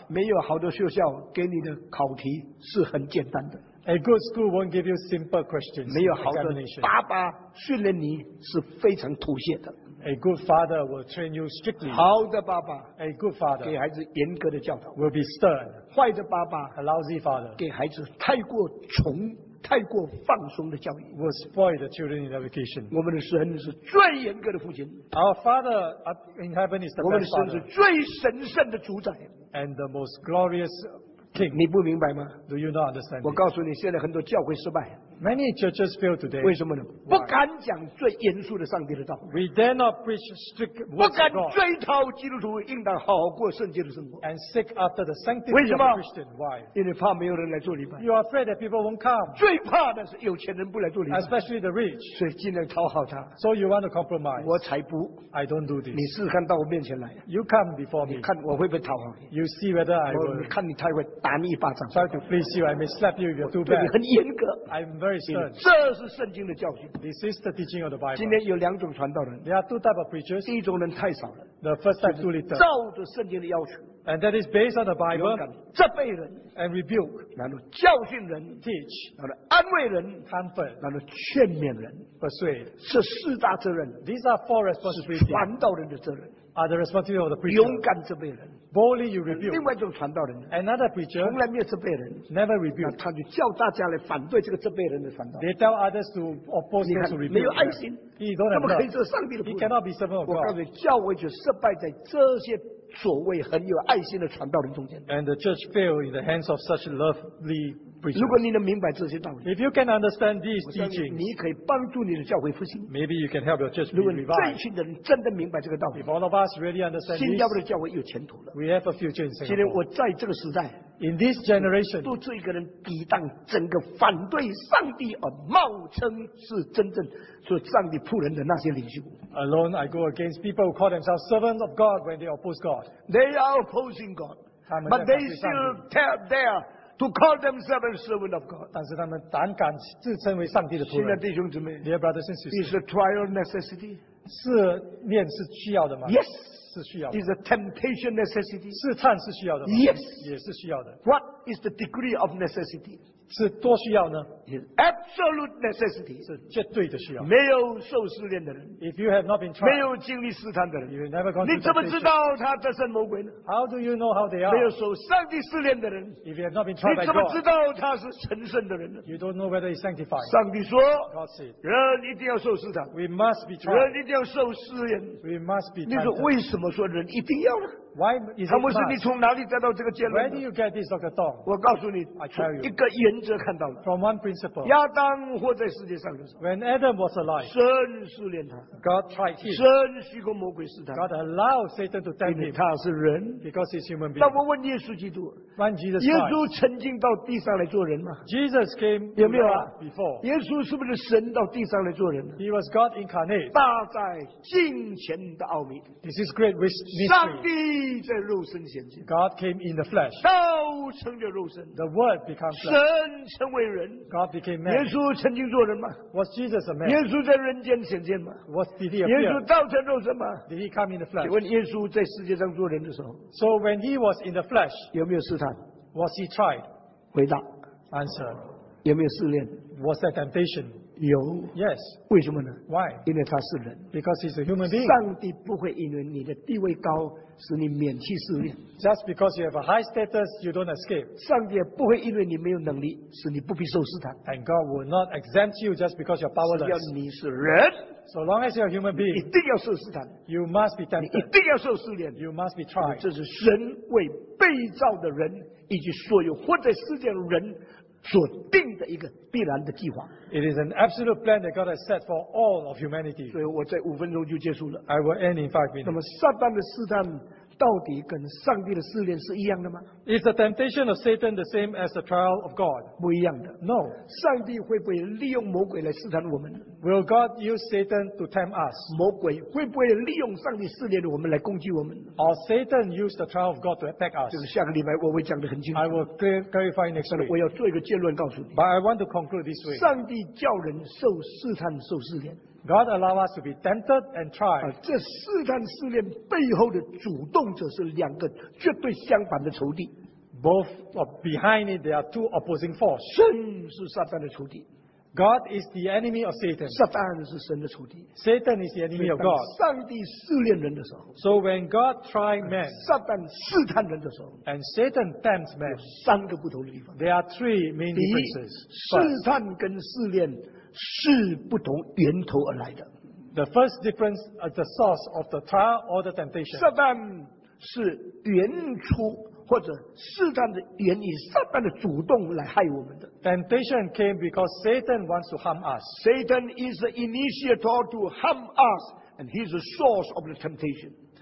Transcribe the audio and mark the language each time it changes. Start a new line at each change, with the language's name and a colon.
Chinese: 没有好的学校给你的考题是很简单的。
English: A good school won't give you simple questions.
Chinese: 没有好的爸爸训练你是非常妥协的。
English: A good father will train you strictly.
Chinese: 好的爸爸,
English: a good father
Chinese: 给孩子严格的教导,
English: will be stern.
Chinese: 坏的爸爸,
English: a lousy father
Chinese: 给孩子太过宠, 太过放松的教育,
English: will spoil the children in education.
Chinese: 我们的神是最严格的父亲,
English: our father in heaven is the best father.
Chinese: 我们的神是最神圣的主宰,
English: and the most glorious king.
Chinese: 你不明白吗?
English: Do you not understand?
Chinese: 我告诉你现在很多教会失败,
English: many churches fail today.
Chinese: 为什么呢?
English: Why?
Chinese: 不敢讲最严肃的上帝的道,
English: we dare not preach strict words of God.
Chinese: 不敢追讨基督徒应当好过圣洁的生活,
English: and seek after the sanctity of Christian. Why?
Chinese: 因为怕没有人来做礼拜,
English: you are afraid that people won't come.
Chinese: 最怕的是有钱人不来做礼拜,
English: especially the rich.
Chinese: 所以尽量讨好他,
English: so you want to compromise.
Chinese: 我才不,
English: I don't do this.
Chinese: 你试试看到我面前来,
English: you come before me.
Chinese: 你看我会不会讨好你,
English: you see whether I will.
Chinese: 我看你太会打你一巴掌,
English: try to please you. I may slap you if you're too bad.
Chinese: 我对你很严格,
English: I'm very stern.
Chinese: 这是圣经的教训,
English: this is the teaching of the Bible.
Chinese: 今天有两种传道人,
English: there are two type of preachers.
Chinese: 第一种人太少了,
English: the first type too little,
Chinese: 照着圣经的要求,
English: and that is based on the Bible.
Chinese: 勇敢责备人,
English: and rebuke,
Chinese: 然后教训人,
English: teach,
Chinese: 然后安慰人,
English: comfort,
Chinese: 然后劝勉人,
English: persuade.
Chinese: 这四大责任,
English: these are four responsibilities.
Chinese: 传道人的责任,
English: are the responsibility of the preacher.
Chinese: 勇敢责备人,
English: boldly you rebuke.
Chinese: 另外一种传道人,
English: another preacher,
Chinese: 从来没有责备人,
English: never rebuke.
Chinese: 他就叫大家来反对这个责备人的传道,
English: they tell others to oppose him to rebuke.
Chinese: 没有爱心,
English: he don't have love, he cannot be servant of God.
Chinese: 我告诉你教会就失败在这些所谓很有爱心的传道人中间,
English: and the church fail in the hands of such lovely preachers.
Chinese: 如果你能明白这些道理,
English: if you can understand these teachings,
Chinese: 你可以帮助你的教会复兴,
English: maybe you can help your church be revived.
Chinese: 如果这群人真的明白这个道理,
English: if all of us really understand this,
Chinese: 新加坡的教会有前途了,
English: we have a future in Singapore.
Chinese: 今天我在这个时代,
English: in this generation,
Chinese: 独自一个人抵挡整个反对上帝, 冒称是真正, 说上帝仆人的那些领袖,
English: alone I go against people who call themselves servants of God when they oppose God. They are opposing God, but they still tell there to call themselves servants of God.
Chinese: 但是他们胆敢自称为上帝的仆人。亲爱的弟兄姊妹,
English: dear brothers and sisters, is a trial necessity?
Chinese: 试炼是需要的吗?
English: Yes.
Chinese: 是需要的。
English: Is a temptation necessity?
Chinese: 试探是需要的吗?
English: Yes.
Chinese: 也是需要的。
English: What is the degree of necessity?
Chinese: 是多需要呢?
English: Is absolute necessity.
Chinese: 是绝对的需要。没有受试炼的人,
English: if you have not been tried,
Chinese: 没有经历试探的人,
English: you have never gone through temptation,
Chinese: 你怎么知道他的神魔鬼呢?
English: How do you know how they are?
Chinese: 没有受上帝试炼的人,
English: if you have not been tried by God,
Chinese: 你怎么知道他是成圣的人呢?
English: You don't know whether he's sanctified.
Chinese: 上帝说,
English: God said,
Chinese: 人一定要受试探,
English: we must be tried.
Chinese: 人一定要受试炼,
English: we must be tempted.
Chinese: 你说为什么说人一定要呢?
English: Why is it? Where do you get this, Dr. Tong?
Chinese: 我告诉你,
English: I tell you,
Chinese: 一个原则看到了,
English: from one principle,
Chinese: 亚当活在世界上的时候,
English: when Adam was alive,
Chinese: 神试炼他,
English: God tried him,
Chinese: 神许过魔鬼试探,
English: God allowed Satan to tempt him,
Chinese: 因为他是人,
English: because he's human being.
Chinese: 但我问耶稣基督,
English: when Jesus died,
Chinese: 耶稣曾经到地上来做人吗?
English: Jesus came,
Chinese: 有没有啊?
English: Before,
Chinese: 耶稣是不是神到地上来做人?
English: He was God incarnate,
Chinese: 大在金钱的奥秘,
English: this is great mystery. God came in the flesh.
Chinese: 道成了肉身,
English: the word became flesh.
Chinese: 神成为人,
English: God became man.
Chinese: 耶稣曾经做人吗?
English: Was Jesus a man?
Chinese: 耶稣在人间显现吗?
English: Was, did he appear?
Chinese: 耶稣道成肉身吗?
English: Did he come in the flesh?
Chinese: 请问耶稣在世界上做人的时候,
English: so when he was in the flesh,
Chinese: 有没有试探?
English: Was he tried?
Chinese: 回答,
English: answer.
Chinese: 有没有试炼?
English: Was there temptation?
Chinese: 有,
English: yes.
Chinese: 为什么呢?
English: Why?
Chinese: 因为他是人,
English: because he's a human being.
Chinese: 上帝不会因为你的地位高,
English: just because you have a high status, you don't escape.
Chinese: 上帝也不会因为你没有能力,
English: and God will not exempt you just because you're powerless.
Chinese: 只要你是人,
English: so long as you're a human being,
Chinese: 你一定要受试探,
English: you must be tempted.
Chinese: 你一定要受试炼,
English: you must be tried.
Chinese: 这是神为被造的人, 以及所有活在世界的人, 所定的一个必然的计划。
English: It is an absolute plan that God has set for all of humanity.
Chinese: 所以我在五分钟就结束了。
English: I will end in 5 minutes.
Chinese: 那么撒旦的试探, 到底跟上帝的试炼是一样的吗?
English: Is the temptation of Satan the same as the trial of God?
Chinese: 不一样的。
English: No.
Chinese: 上帝会不会利用魔鬼来试探我们?
English: Will God use Satan to tempt us?
Chinese: 魔鬼会不会利用上帝试炼我们来攻击我们?
English: Or Satan use the trial of God to attack us?
Chinese: 这个下个礼拜我会讲得很清楚。
English: I will clarify next week.
Chinese: 我要做一个结论告诉你。
English: But I want to conclude this way.
Chinese: 上帝叫人受试探受试炼。
English: God allow us to be tempted and tried.
Chinese: 这试探试炼背后的主动者是两个绝对相反的仇敌。
English: Both behind it, there are two opposing forces.
Chinese: 神是撒旦的仇敌。
English: God is the enemy of Satan. Satan is the enemy of God. Satan is the enemy of God. So when God tried man,
Chinese: Satan 试探人的时候,
English: and Satan tempts man,
Chinese: 有三个不同的地方,
English: there are three main differences.
Chinese: 试探跟试炼是不同源头而来的。
English: The first difference is the source of the trial or the temptation.
Chinese: Satan 是源出 或者试探的原因，撒旦的主动来害我们的。
English: Temptation came because Satan wants to harm us. Satan is the initiator to harm us, and he's the source of the temptation.